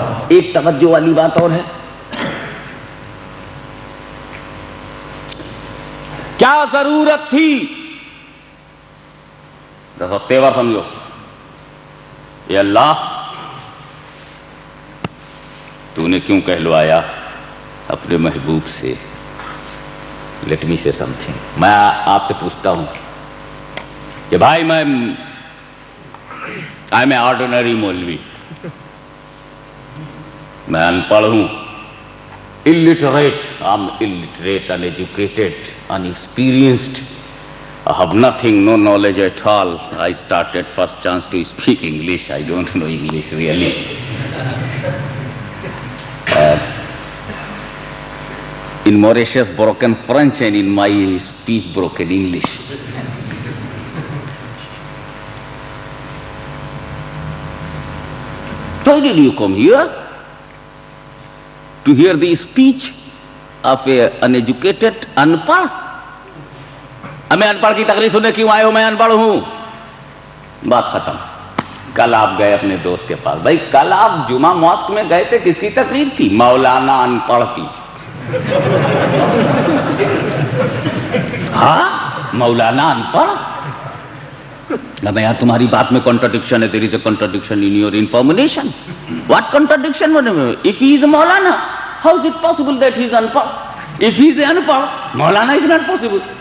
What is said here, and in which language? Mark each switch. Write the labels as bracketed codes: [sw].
[ur] ایک توجہ والی بات اور ہے, کیا ضرورت تھی, دیکھو تیور سمجھو, اے اللہ تو نے کیوں کہلوایا اپنے محبوب سے, [en] Let me say something. [ur] میں آپ سے پوچھتا ہوں کہ بھائی میں [en] I am ordinary maulvi, [ur] میں ان پڑھ ہوں, [en] illiterate, uneducated, unexperienced, I have nothing, no knowledge at all, I started first chance to speak English, I don't know English really. In Mauritius broken French and in my speech broken English. Why did you come here? To hear the speech of a uneducated, unpadh. [ur] ہمیں انپڑھ کی تقریر سننے کیوں آئے ہو؟ میں انپڑھ ہوں, بات ختم. کل آپ گئے اپنے دوست کے پاس, بھائی کل آپ جمعہ ماسک میں گئے تھے, کس کی تقریر تھی؟ مولانا انپڑھ کی. ہاں مولانا انپڑھ. میں یار تمہاری بات میں کنٹرڈکشن ہے, [en] There is a contradiction in your information. What contradiction? If he is maulana, how is it possible that he is unpaid? If he is unpaid, maulana is not possible.